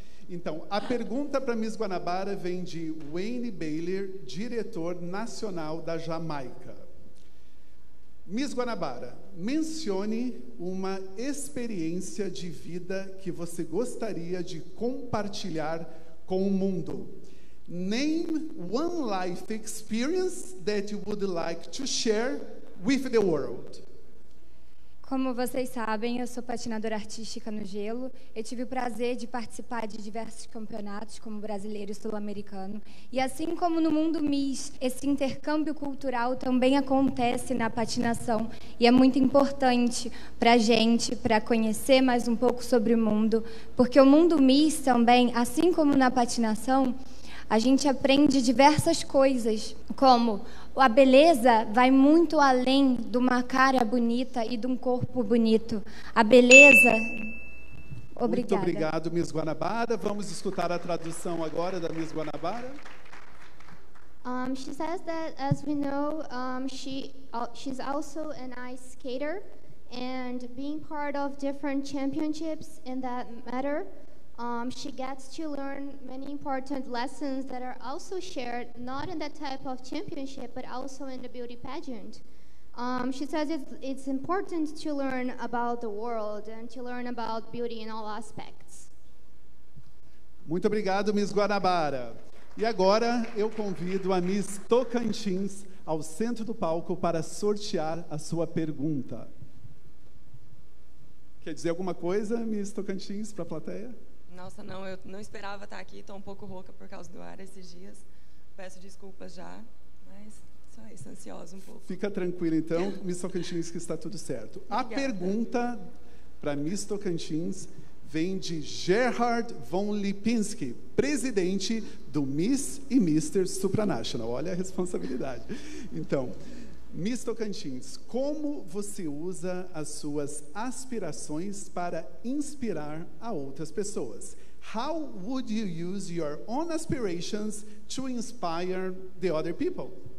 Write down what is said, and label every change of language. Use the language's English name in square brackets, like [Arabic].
[Portuguese] Então, a pergunta para Miss Guanabara vem de Wayne Baylor, diretor nacional da Jamaica. Miss Guanabara, mencione uma experiência de vida que você gostaria de compartilhar com o mundo. Name one life experience that you would like to share with the world. Como vocês sabem, eu sou patinadora artística no gelo. Eu tive o prazer de participar de diversos campeonatos, como brasileiro e sul-americano. E assim como no mundo Miss, esse intercâmbio cultural também acontece na patinação. E é muito importante para a gente, para conhecer mais um pouco sobre o mundo. Porque o mundo Miss também, assim como na patinação, a gente aprende diversas coisas, como... A beleza vai muito além de uma cara bonita e de um corpo bonito. A beleza... Obrigada. Muito obrigado, Miss Guanabara. Vamos escutar a tradução agora da Miss Guanabara. [English] She says that, as we know, she's also an ice skater. And being part of different championships in that matter, she gets to learn many important lessons that are also shared, not in that type of championship, but also in the beauty pageant. She says it's important to learn about the world and to learn about beauty in all aspects. [Portuguese] Muito obrigado, Miss Guanabara. E agora eu convido a Miss Tocantins ao centro do palco para sortear a sua pergunta. Quer dizer alguma coisa, Miss Tocantins, para a plateia? Nossa, não, eu não esperava estar aqui, estou um pouco rouca por causa do ar esses dias. Peço desculpas já, mas só isso, ansiosa um pouco. Fica tranquila então, Miss Tocantins, que está tudo certo. Obrigada. A pergunta para Miss Tocantins vem de Gerhard von Lipinski, presidente do Miss e Mister Supranational. Olha a responsabilidade. Então, Miss Tocantins, como você usa as suas aspirações para inspirar a outras pessoas? [English] How would you use your own aspirations to inspire the other people?